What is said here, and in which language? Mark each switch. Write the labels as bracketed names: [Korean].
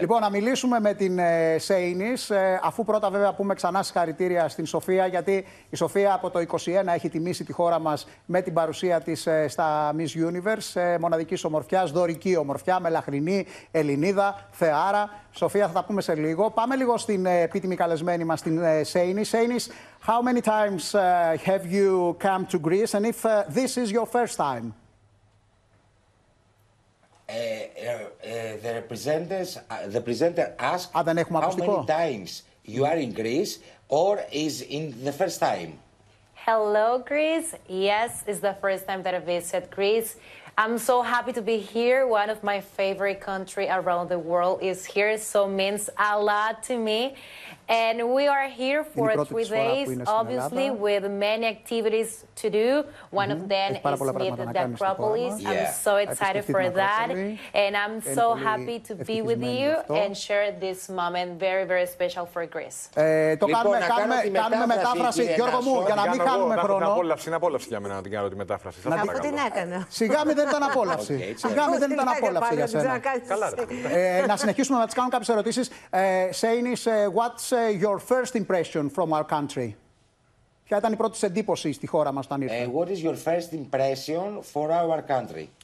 [Greek] Λοιπόν, να μιλήσουμε με την Τσέινις, αφού πρώτα βέβαια πούμε ξανά συγχαρητήρια στην Σοφία, γιατί η Σοφία από το 21 έχει τιμήσει τη χώρα μας με την παρουσία της στα Miss Universe, μοναδικής ομορφιάς, δωρική ομορφιά, μελαχρινή, ελληνίδα, θεάρα. Σοφία, θα τα πούμε σε λίγο. Πάμε λίγο στην επίτιμη καλεσμένη μας, την Τσέινις. [English] Τσέινις, how many times have you come to Greece and if this is your first time? The representatives, the presenter asked, [Greek] α, δεν έχουμε ακουστικό. [English] How many times you are in Greece or is in the first time? Hello, Greece. Yes, it's the first time that I visit Greece. I'm so happy to be here. One of my favorite country around the world is here, so means a lot to me. And we are here for 3 days, obviously, with many activities to do. One of them is meet the Acropolis. I'm so excited for that. And I'm so happy to be with you and share this moment very, very special for Greece. [Greek] Το κάνουμε μετάφραση, Γιώργο μου, για να μην χάνουμε χρόνο. Είναι απόλαυση για μένα να την κάνω τη μετάφραση. Να δείτε τι να έκανα. Σιγά μην δεν ήταν απόλαυση. Σιγά μην δεν ήταν απόλαυση για σένα. Να συνεχίσουμε να τις κάνουμε κάποιες ερωτήσεις. [English] Τσέινις, your first impression from our country? [Greek] Ποια ήταν η πρώτη εντύπωση στη χώρα μας όταν ήρθατε? [English] What is your first impression for our country?